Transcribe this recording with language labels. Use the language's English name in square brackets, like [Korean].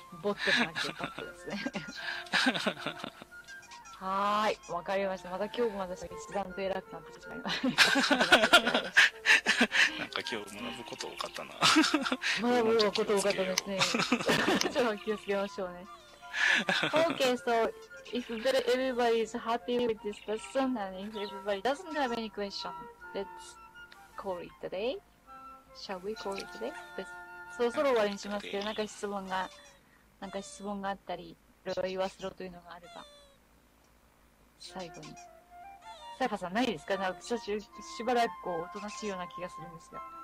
[Japanese] ボットじゃなくてバットですね。はーい、わかりました。また今日も私が一段と偉くなってしまいました。なんか今日学ぶこと多かったな。学ぶこと多かったですね。ちょっと気をつけましょうね。 [English] OK, so if everybody is happy with this person and if everybody doesn't have any question, let's. Call it today. Shall we call it today? [Japanese] そろそろ終わりにしますけど、なんか質問があったり、いろいろ言わせろというのがあれば、最後に。サイファーさん、ないですか？なんか久しぶり、しばらくこう、おとなしいような気がするんですが。